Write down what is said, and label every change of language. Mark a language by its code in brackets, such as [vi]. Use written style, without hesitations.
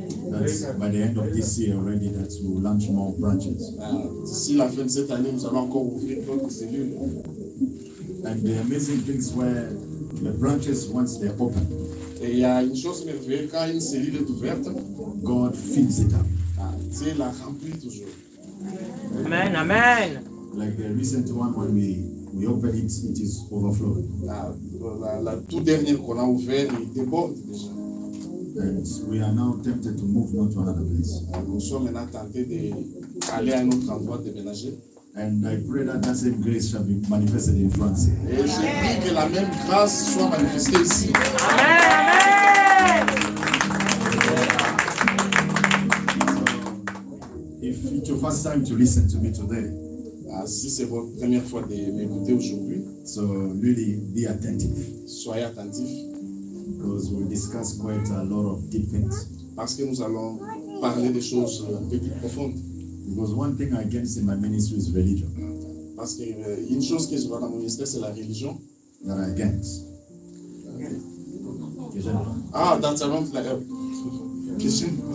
[en] That's by the end of this year already that we will launch more branches. [fr] D'ici la fin de cette année, nous allons encore ouvrir d'autres cellules. [en] And the amazing things were the branches once they are open. [fr] Et il y a une chose merveilleuse quand une cellule est ouverte. [en] God fills it up. [fr] Dieu la remplit toujours. Amen, amen. [en] Like the recent one when we opened it, it is overflowing. [fr] La toute dernière qu'on a ouvert, il déborde déjà. [en] And we are now tempted to move on to another place. [fr] Nous sommes maintenant tentés d'aller à un autre endroit, déménager. [en] And I pray that that same grace shall be manifested in France. [fr] Et je prie que la même grâce soit manifestée ici. Amen, amen. [en] If it's your first time to listen to me today, [fr] si c'est votre première fois de m'écouter aujourd'hui, [en] so really be attentive. [fr] Soyez attentif. [en] Because we discuss quite a lot of deep things. [fr] Parce que nous allons parler des choses un peu plus profondes. [en] Because one thing I can say in my ministry is religion. [fr] Parce que une chose que je vois dans mon ministère, c'est la religion. [en] That I against. Okay. That's a wrong question.